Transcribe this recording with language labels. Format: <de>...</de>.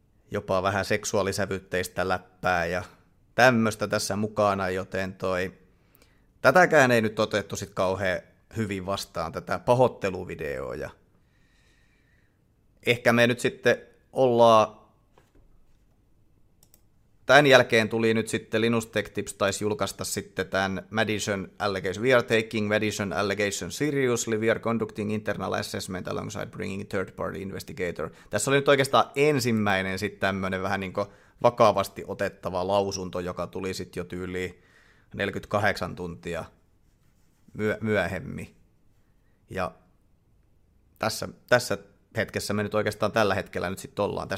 <fi>jopa vähän seksuaalisävytteistä läppää ja tämmöistä tässä mukana, joten tätäkään ei nyt otettu sit kauhean hyvin vastaan, tätä pahoitteluvideoa. Ja ehkä me nyt sitten ollaan Tämän jälkeen tuli nyt sitten Linus Tech Tips taisi julkaista sitten tämän Madison Allegation.</fi> <en>We are taking Madison Allegation seriously. We are conducting internal assessment alongside bringing third party investigator.</en> <fi>Tässä oli nyt oikeastaan ensimmäinen sitten tämmöinen vähän niin kuin vakavasti otettava lausunto, joka tuli sitten jo tyyliin 48 tuntia myöhemmin. Ja tässä hetkessä me nyt oikeastaan tällä hetkellä nyt sitten ollaan.</fi>